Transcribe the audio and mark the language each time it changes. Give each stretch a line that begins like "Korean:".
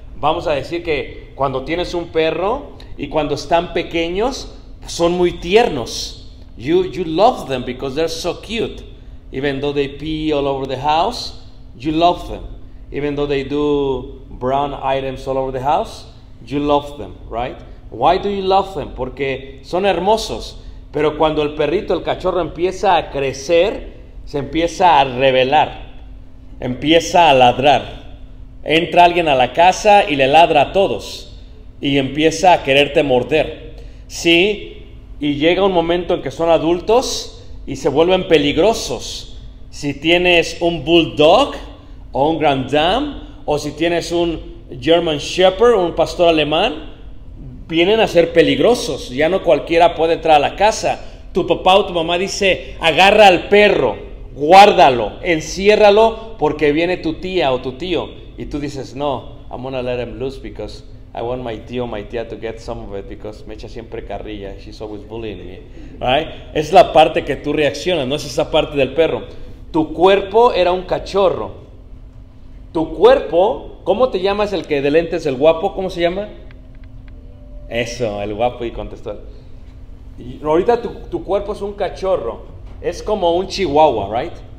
Spanish: Vamos a decir que cuando tienes un perro y cuando están pequeños son muy tiernos.
English: You love them because they're so cute. Even though they pee all over the house, you love them. Even though they do brown items all over the house, you love them, right? Why do you love them?
Spanish: Porque son hermosos. Pero cuando el perrito, el cachorro empieza a crecer, se empieza a rebelar, empieza a ladrar. Entra alguien a la casa y le ladra a todos y empieza a quererte morder. Sí, y llega un momento en que son adultos y se vuelven peligrosos. Si tienes un bulldog o un Grand Dam o si tienes un German Shepherd, un pastor alemán, vienen a ser peligrosos. Ya no cualquiera puede entrar a la casa. Tu papá o tu mamá dice, agarra al perro. Guárdalo, enciérralo porque viene tu tía o tu tío. Y tú dices, no,
English: I'm gonna let him loose because I want my tío o my tía to get some of it because
Spanish: me echa siempre carrilla.
English: She's always bullying me. Right?
Spanish: Es la parte que tú reaccionas, no es esa parte del perro. Tu cuerpo era un cachorro. Tu cuerpo, ¿cómo te llamas el que de lentes, el guapo? ¿Cómo se llama? Eso, el guapo y contestó. Y ahorita tu cuerpo es un cachorro. Es como un chihuahua, right?